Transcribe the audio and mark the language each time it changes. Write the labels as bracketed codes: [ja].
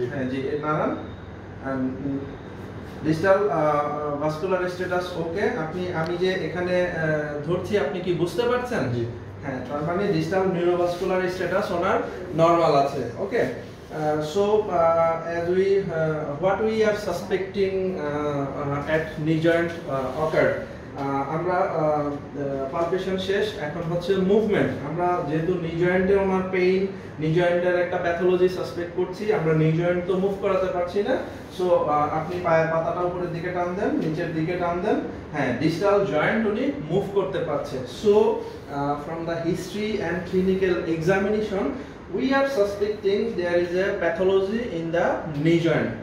[bn] জি নাড়ান, distal vascular status ওকে, আপনি আমি যে এখানে ধরছি আপনি কি বুঝতে পারছেন? জি হ্যাঁ, তার মানে ডিস্টাল নিউরোভাস্কুলার স্ট্যাটাস ওনার নর্মাল আছে, ওকে। [en] So, as we, what we are suspecting at knee joint occurred, [bn] আমরা পালপেশন শেষ, এখন হচ্ছে মুভমেন্ট। আমরা যেহেতু নি জয়েন্টে ওনার পেইন, নি জয়েন্টের একটা প্যাথোলজি সাসপেক্ট করছি, আমরা নি জয়েন্ট তো মুভ করাতে পারছি না, সো আপনি পায়ের পাতাটা উপরের দিকে টান দেন, নিচের দিকে টান দেন, হ্যাঁ ডিস্টাল জয়েন্ট উনি মুভ করতে পারছে। [en] So from the history and clinical examination we are suspecting there is a pathology in the knee joint.